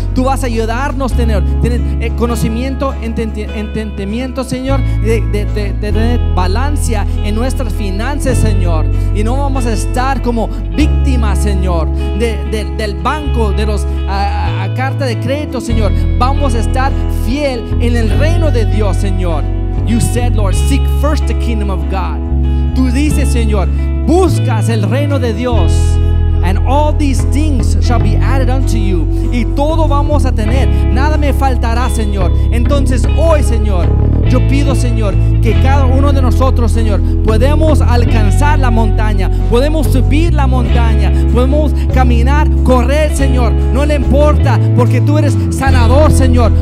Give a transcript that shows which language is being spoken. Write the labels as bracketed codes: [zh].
[es] Tú vas a ayudarnos, Señor. Tienes conocimiento, entendimiento, Señor, de tener balance en nuestras finanzas, Señor. Y no vamos a estar como víctimas, Señor, del banco, de los a carta de crédito, Señor. Vamos a estar fiel en el reino de Dios, Señor. [en] You said, Lord, seek first the kingdom of God. [es] Tú dices, Señor, buscas el reino de Dios. [en] And all these things shall be added unto you. [es] Y todo vamos a tener. Nada me faltará, Señor. Entonces hoy, Señor, yo pido, Señor, que cada uno de nosotros, Señor, podemos alcanzar la montaña. Podemos subir la montaña. Podemos caminar, correr, Señor. No le importa, porque tú eres sanador, Señor.